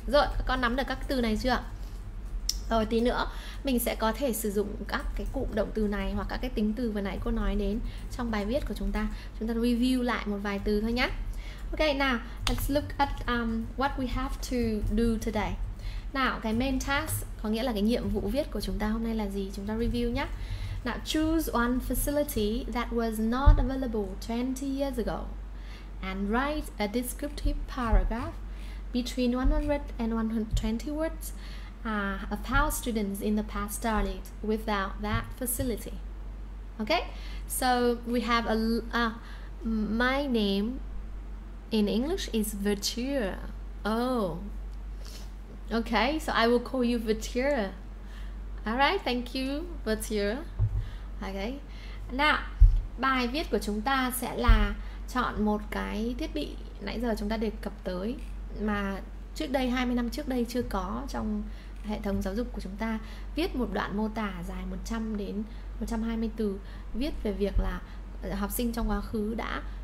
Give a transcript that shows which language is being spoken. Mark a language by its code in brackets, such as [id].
[vi] Rồi, các con nắm được các từ này chưa? Rồi, tí nữa mình sẽ có thể sử dụng các cái cụm động từ này hoặc các cái tính từ vừa nãy cô nói đến trong bài viết của chúng ta. Chúng ta review lại một vài từ thôi nhé. [en] Okay, now, let's look at what we have to do today. [vi] Now, cái main task có nghĩa là cái nhiệm vụ viết của chúng ta hôm nay là gì? Chúng ta review nhé. [en] Now, choose one facility that was not available 20 years ago and write a descriptive paragraph between 100 and 120 words of how students in the past started without that facility. Okay, so we have my name in English is Virtue. Oh, okay, so I will call you Virtue. All right, thank you, Virtue. [vi] Okay, now, bài viết của chúng ta sẽ là chọn một cái thiết bị nãy giờ chúng ta đề cập tới mà trước đây, 20 năm trước đây chưa có trong hệ thống giáo dục của chúng ta. Viết một đoạn mô tả dài 100 đến 120 từ, viết về việc là học sinh trong quá khứ đã